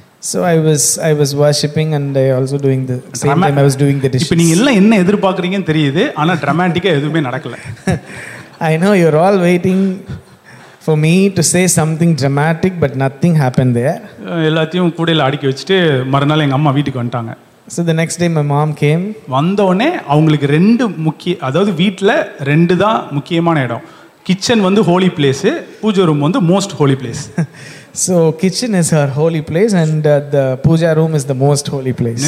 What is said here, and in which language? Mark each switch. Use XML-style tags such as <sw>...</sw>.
<en>So I was worshiping and I also doing the same time I was doing the dishes.</en> <ta>இப்ப நீங்க எல்லாம் என்ன எதிர்பார்க்கறீங்கன்னு தெரியுது, ஆனா dramatic-ஆ எதுவுமே நடக்கல.</ta> <en>I know you're all waiting for me to say something dramatic but nothing happened there.</en> <ta>எல்லாத்தையும் கூடையில் அடக்கி வச்சுட்டு மறுநாள் எங்கள் அம்மா வீட்டுக்கு வந்துட்டாங்க.</ta> <en>So the next day my mom came.</en> <ta>வந்தோடனே அவங்களுக்கு ரெண்டு முக்கிய, அதாவது வீட்டில் ரெண்டு தான் முக்கியமான இடம், கிச்சன் வந்து ஹோலி பிளேஸு, பூஜை ரூம் வந்து most Holi place.</ta> <en>So kitchen is her holy place and the puja room is the most holy place.</en>